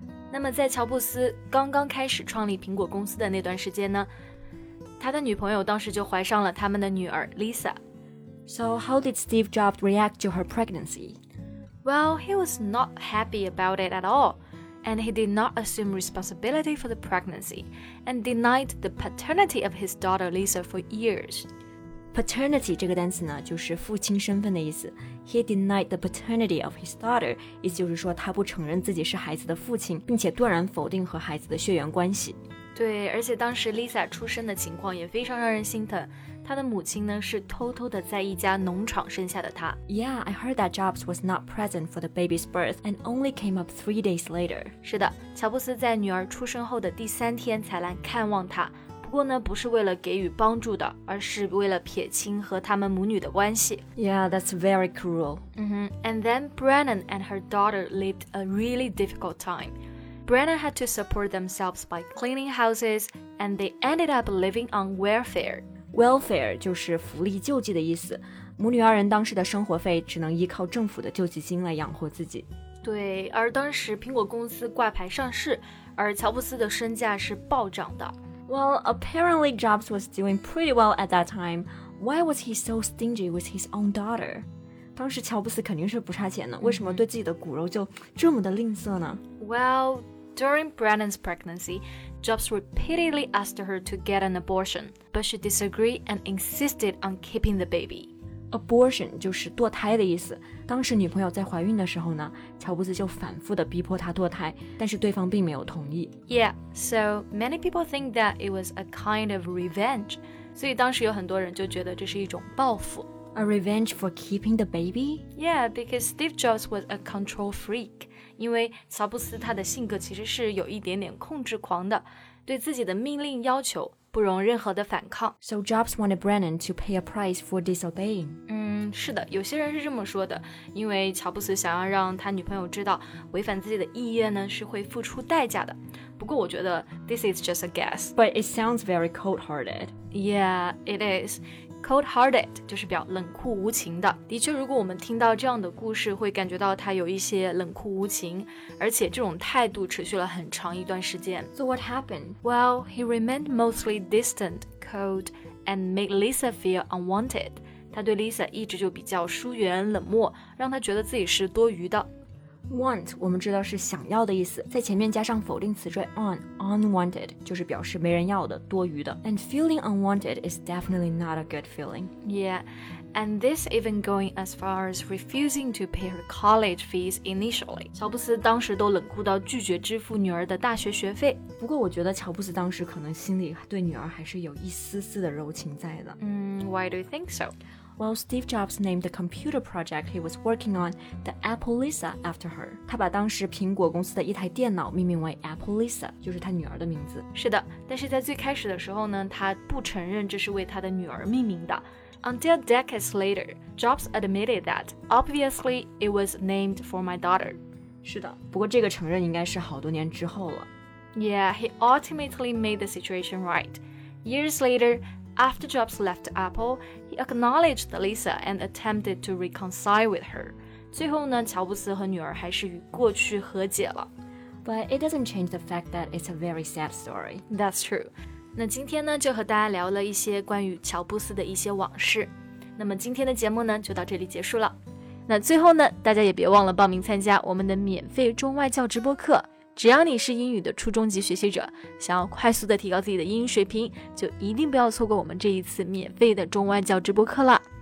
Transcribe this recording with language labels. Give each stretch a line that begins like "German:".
Chinese: 那么在乔布斯刚刚开始创立苹果公司的那段时间呢，他的女朋友当时就怀上了他们的女儿 Lisa.
English: So how did Steve Jobs react to her pregnancy? Well, he was not happy about it at all. And he did not assume responsibility for the pregnancy and denied the paternity of his daughter Lisa for years.
Chinese: Paternity 这个单词呢，就是父亲身份的意思。
English: He denied the paternity of his daughter,
Chinese: 意思就是说他不承认自己是孩子的父亲，并且断然否定和孩子的血缘关系。对，而且当时 Lisa 出生的情况也非常让人心疼，她的母亲呢是偷偷的在一家农场生下的她。
English: Yeah, I heard that Jobs was not present for the baby's birth and only came up 3 days later.
Chinese: 是的，乔布斯在女儿出生后的第三天才来看望她，不过呢不是为了给予帮助的，而是为了撇清和他们母女的关系。
English: Yeah, that's very cruel. And then Brennan and her daughter lived a really difficult timeBrennan had to support themselves by cleaning houses, and they ended up living on welfare.
Chinese: Welfare 就是福利救济的意思。母女二人当时的生活费只能依靠政府的救济金来养活自己。对，而当时苹果公司挂牌上市，而乔布斯的身价是暴涨的。
English: Well, apparently Jobs was doing pretty well at that time. Why was he so stingy with his own daughter?
Chinese: 当时乔布斯肯定是不差钱的，为什么对自己的骨肉就这么的吝啬呢？
English: Well, during Brennan's pregnancy, Jobs repeatedly asked her to get an abortion, but she disagreed and insisted on keeping the baby.
Chinese: Abortion 就是堕胎的意思。当时女朋友在怀孕的时候呢，乔布斯就反复地逼迫她堕胎，但是对方并没有同意。
English: Yeah, so many people think that it was a kind of revenge.
Chinese: 所以当时有很多人就觉得这是一种报复。
English: A revenge for keeping the baby? Yeah, because Steve Jobs was a control freak.
Chinese: 因为乔布斯他的性格其实是有一点点控制狂的，对自己的命令要求不容任何的反抗。
English: So Jobs wanted Brennan to pay a price for disobeying.
Chinese: 是的，有些人是这么说的，因为乔布斯想要让他女朋友知道违反自己的意愿呢是会付出代价的。不过我觉得
English: this is just a guess. But it sounds very cold-hearted. Yeah, it is. Cold-hearted
Chinese: 就是表冷酷无情的。的确，如果我们听到这样的故事，会感觉到他有一些冷酷无情，而且这种态度持续了很长一段时间。
English: So what happened? Well, he remained mostly distant, cold, and made Lisa feel unwanted.
Chinese: 他对 Lisa 一直就比较疏远冷漠，让他觉得自己是多余的。 Want 我们知道是想要的意思，在前面加上否定词缀 on, unwanted 就是表示没人要的，多余的。
English: And feeling unwanted is definitely not a good feeling. Yeah, and this even going as far as refusing to pay her college fees initially.
Chinese: 乔布斯当时都冷酷到拒绝支付女儿的大学学费。不过我觉得乔布斯当时可能心里对女儿还是有一丝丝的柔情在的。
English: Why do you think so? Well, Steve Jobs named the computer project he was working on the Apple Lisa after her.
Chinese: 他把当时苹果公司的一台电脑命名为 Apple Lisa, 就是他女儿的名字。是的，但是在最开始的时候呢，他不承认这是为他的女儿命名的。
English: Until decades later, Jobs admitted that, obviously, it was named for my daughter.
Chinese: 是的，不过这个承认应该是好多年之后了。
English: Yeah, he ultimately made the situation right. Years later,After Jobs left Apple, he acknowledged Lisa and attempted to reconcile with her.
Chinese: 最后呢，乔布斯和女儿还是与过去和解了。 But it doesn't change the fact that it's a very sad story. That's true. 那今天呢，就和大家聊了一些关于乔布斯的一些往事。那么今天的节目呢，就到这里结束了。那最后呢，大家也别忘了报名参加我们的免费中外教直播课。只要你是英语的初中级学习者，想要快速的提高自己的英语水平，就一定不要错过我们这一次免费的中外教直播课了。